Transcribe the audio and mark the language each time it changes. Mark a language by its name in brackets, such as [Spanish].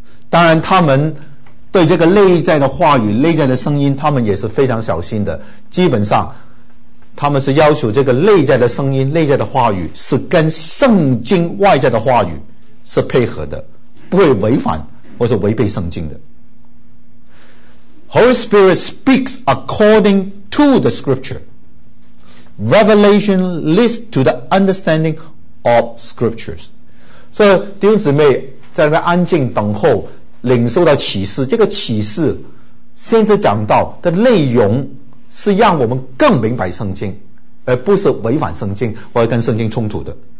[Chinese] 当然他们对这个内在的话语内在的声音他们也是非常小心的，基本上他们是要求这个内在的声音内在的话语是跟圣经外在的话语是配合的，不会违反或是违背圣经的。 [English] Holy Spirit speaks according to the scripture. Revelation leads to the understanding of scriptures. [Chinese] 所以弟兄姊妹在那边安静等候领受到启示，这个启示先知讲到的内容是让我们更明白圣经，而不是违反圣经或者跟圣经冲突的。